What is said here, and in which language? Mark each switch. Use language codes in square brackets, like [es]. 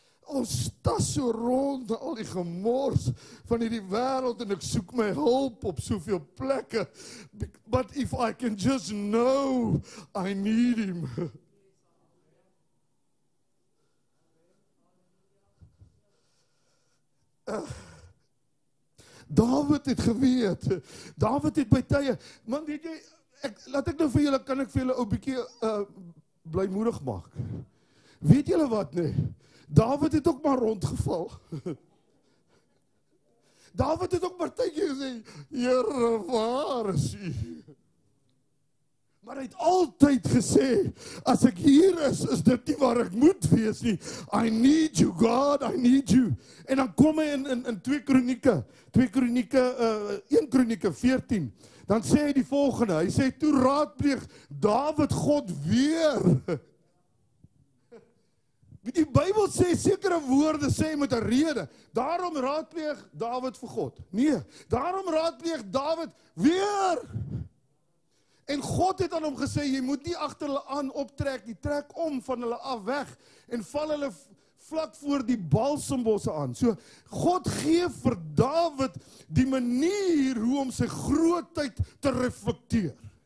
[af] Ons tas so rond al die gemors van hierdie wêreld en ek soek my hulp op soveel plekke. [en] But if I can just know I need him. [af] David het geweet. David het by tye, man weet jy, kan ek vir julle 'n bietjie blymoedig maak. Weet julle wat nee? David het ook maar rondgeval. David het ook maar tydjie gesê, Here, waar is u? Maar hy het altyd gesê, as ek hier is, is dit nie waar ek moet wees nie. [en] I need you, God, I need you. [af] En dan kom hy in 1 Kronieke 14, dan sê hy die volgende, hy sê, toe raadpleeg David God weer. Die Bybel sê sekere woorde sê met 'n rede. Daarom raadpleeg Dawid vir God. Nee, daarom raadpleeg Dawid weer. En God het aan hom gesê, jy moet nie agter hulle aan optrek, jy trek om van hulle af weg en val hulle vlak voor die balsambosse aan. So God gee vir Dawid die manier hoe om sy grootheid te reflekteer.